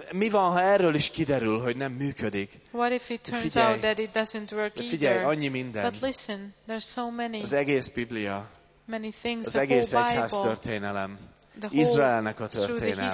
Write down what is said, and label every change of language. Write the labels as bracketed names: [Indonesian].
[Hungarian] Mi van, ha erről is kiderül, hogy nem működik? [English] What if it turns out that it doesn't work either? [Hungarian] Figyelj, annyi minden. [English] But listen, there's so many. [Hungarian] Az egész Biblia. [English] Many things. [Hungarian] Az egész egyház történelem. Izraelnek a történelme.